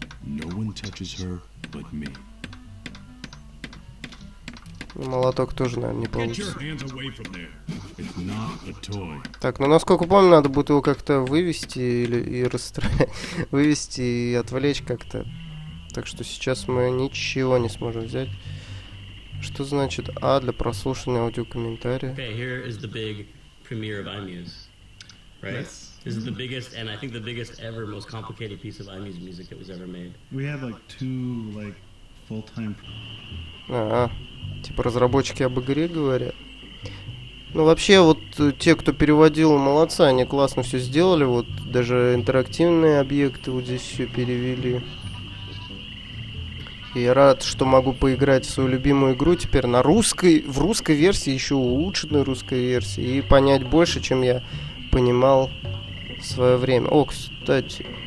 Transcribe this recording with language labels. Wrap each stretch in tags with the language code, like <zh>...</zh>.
<en>No one touches her but me.</en> <ru>Молоток тоже, наверное, не получится.</ru> <en>It's not a toy.</en> <ru>Так, ну насколько помню, надо будет его как-то вывести или и вывести и отвлечь как-то. Так что сейчас мы ничего не сможем взять. Что значит А для прослушивания аудиокомментария?</ru> <en>Okay, here is the big premiere of iMuse. Right? Yes. This is the biggest and I think the biggest ever most complicated piece of iMuse music that was ever made. We have like two like full-time.</en> <ru>Типа разработчики об игре говорят. Ну вообще вот те, кто переводил, молодцы, они классно все сделали. Вот даже интерактивные объекты вот здесь все перевели. И я рад, что могу поиграть в свою любимую игру теперь на русской, в русской версии, еще улучшенной русской версии, и понять больше, чем я понимал в свое время. О, кстати.</ru>